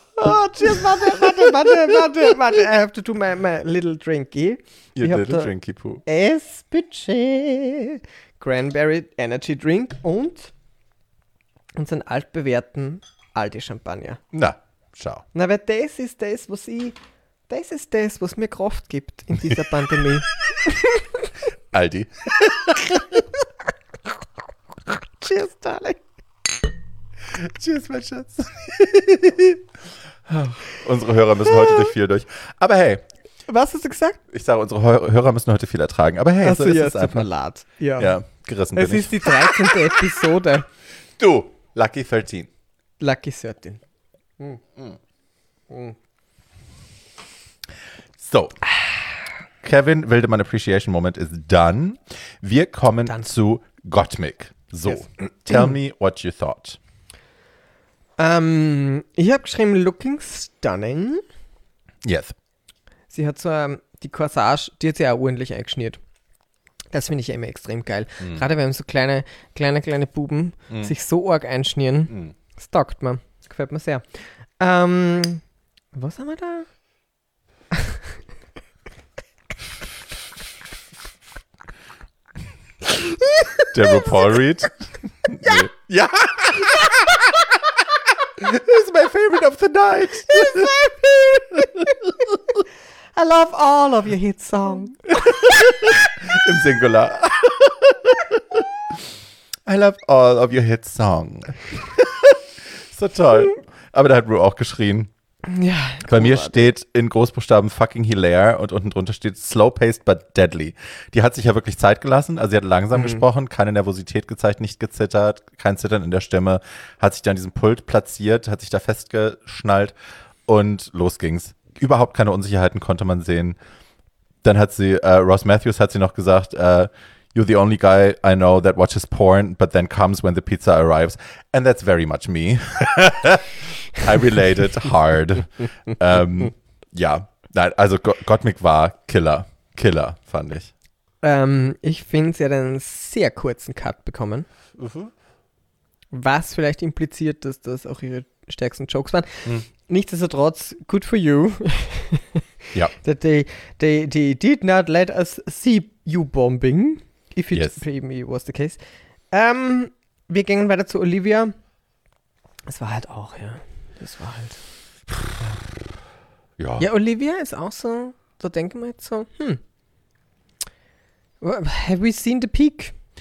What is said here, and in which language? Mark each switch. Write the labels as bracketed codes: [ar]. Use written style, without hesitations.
[en] Oh, cheers, [de] warte, [en] I have to do my little drinky. Your little drinky poo. [de] Espeche, Cranberry Energy Drink und unseren altbewährten Aldi Champagner. Na, schau. Na, weil das ist das, was mir Kraft gibt in dieser Pandemie. Aldi. [en] Cheers, darling. [de] Cheers, mein Schatz. Unsere Hörer müssen heute durch viel durch. Aber hey. Was hast du gesagt? Ich sage, unsere Hörer müssen heute viel ertragen. Aber hey, so ist es einfach. Lad. Ja, gerissen bin ich. Es ist die 13. Episode. Du, Lucky 13. Lucky 13. Hm. So. [en] Kevin Wildermann Appreciation Moment is done. [de] Wir kommen dann zu Gottmik. [en] So, yes. Tell me what you thought. [de] Ich habe geschrieben, [en] looking stunning. Yes. [de] Sie hat so die Corsage, die hat sie auch ordentlich eingeschnürt. Das finde ich ja immer extrem geil. Mm. Gerade wenn so kleine Buben sich so arg einschnieren, das taugt mir. Gefällt mir sehr. Was haben wir da? Der RuPaul Read? Ja! Nee. Ja! [en] He's my favorite of the night. He's my favorite. I love all of your hit songs. [de] Im Singular. [en] I love all of your hit songs. [de] So toll. Aber da hat Ru auch geschrien. Ja. Bei mir steht in Großbuchstaben [en] fucking hilaire [de] und unten drunter steht [en] slow paced but deadly. [de] Die hat sich ja wirklich Zeit gelassen, also sie hat langsam gesprochen, keine Nervosität gezeigt, nicht gezittert, kein Zittern in der Stimme, hat sich da an diesem Pult platziert, hat sich da festgeschnallt und los ging's. Überhaupt keine Unsicherheiten konnte man sehen. Dann hat sie, Ross Matthews hat sie noch gesagt, [en] you're the only guy I know that watches porn, but then comes when the pizza arrives. And that's very much me. I relate it hard. [de] Ja, nein, also Gottmik war Killer. Killer, fand ich. Ich finde, sie hat einen sehr kurzen Cut bekommen. Was vielleicht impliziert, dass das auch ihre stärksten Jokes waren. [en] Nichtsdestotrotz, good for you. [de] Ja. [en] That they did not let us see you bombing. If it maybe was the case. [de] Wir gehen weiter zu Olivia. Es war halt auch, ja. Das war halt. Ja. Ja, Olivia ist auch so, da denken wir jetzt so, [en] have we seen the peak?